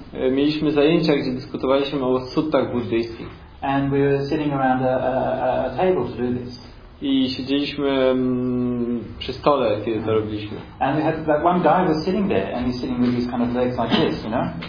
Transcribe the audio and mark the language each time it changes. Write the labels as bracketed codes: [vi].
[pl] Mieliśmy zajęcia, gdzie dyskutowaliśmy o suttach buddyjskich. [en] And we were sitting around a table to do this. [pl] I siedzieliśmy przy stole, kiedy to robiliśmy. [en] And we had that one guy was sitting there, and he's sitting with his kind of legs like this, you know.